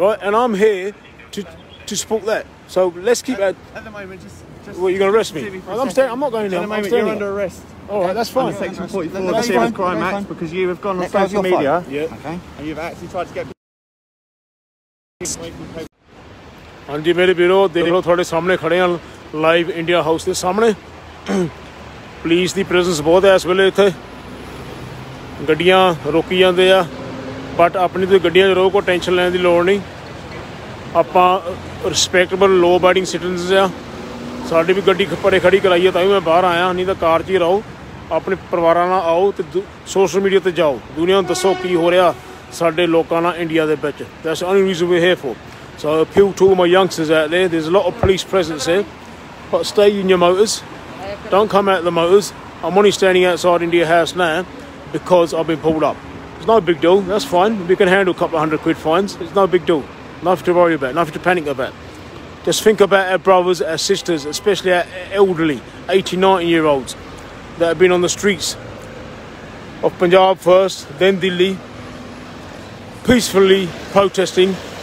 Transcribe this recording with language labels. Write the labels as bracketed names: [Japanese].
[English] Right? And I'm here to support that. So let's keep at the moment, just... What, you going to arrest me? I'm not going there. I'm staying. You're under arrest. All right, that's fine. Under Section 44 of the Serious Crime Act, because you have gone on social media. Yeah. Okay. And you've actually tried to get... [Punjabi] ਹਾਂ ਜੀ ਮੇਰੇ ਵੀਰੋ ਦੇਖੋ ਤੁਹਾਡੇ ਸਾਹਮਣੇ ਖੜੇ ਹਾਂ live India house ਦੇ ਸਾਹਮਣੇ ਪੁਲਿਸ ਦੀ ਪ੍ਰੈਜੈਂਸ ਬਹੁਤ ਹੈ ਇਸ ਵੇਲੇ ਇੱਥੇ ਗੱਡੀਆਂ ਰੋਕੀ ਜਾਂਦੇ ਆ ਬਟ ਆਪਣੀ ਤੋਂ ਗੱਡੀਆਂ 'ਚ ਰੋਕ ਕੋਈ ਟੈਨਸ਼ਨ ਲੈਣ ਦੀ ਲੋੜ ਨਹੀਂ ਆਪਾਂ [English] respectable law abiding citizens [Punjabi] ਆ ਸਾਡੀ ਵੀ ਗੱਡੀ ਪਰੇ ਖੜੀ ਕਰਾਈ ਹੈ ਤਾਂ ਵੀ ਮੈਂ ਬਾਹਰ ਆਇਆ ਨਹੀਂ ਤਾਂ ਕਾਰ 'ਚ ਹੀ ਰਹੋ ਆਪਣੇ ਪਰਿਵਾਰਾਂ ਨਾਲ ਆਓ ਅਤੇ ਸੋਸ਼ਲ ਮੀਡੀਆ 'ਤੇ ਜਾਓ ਦੁਨੀਆਂ ਨੂੰ ਦੱਸੋ ਕੀ ਹੋ ਰਿਹਾ ਸਾਡੇ ਲੋਕਾਂ ਨਾਲ ਇੰਡੀਆ ਦੇ ਵਿੱਚ [English] That's only reason we here for So a few to my youngsters out there, there's a lot of police presence here. But stay in your motors. Don't come out of the motors. I'm only standing outside India House now because I've been pulled up. It's no big deal. That's fine. We can handle a couple of hundred quid fines. It's no big deal. Nothing to worry about. Nothing to panic about. Just think about our brothers, our sisters, especially our elderly, 80, 90-year-olds that have been on the streets of Punjab first, then Delhi, peacefully protesting.